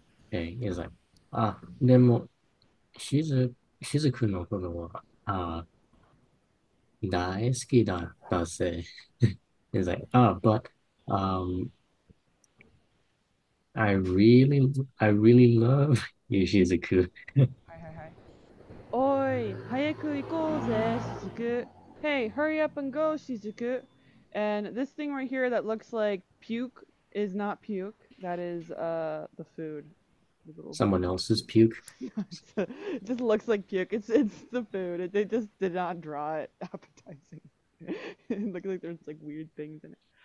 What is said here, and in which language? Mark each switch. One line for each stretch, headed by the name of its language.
English: Okay, is like, ah,
Japanese: でも、しずくんのことは、ああ、大好きだったぜ。
English: It's like, ah, but, I really love you, しずく。
Japanese: おい、早く行こうぜ、しずく。
English: Hey, hurry up and go, しずく。 And this thing right here that looks like puke is not puke. That is the food. The little Someone bubble. else's puke. It just looks like puke. It's the food. They just did not draw it appetizing. It looks like there's like weird things in it.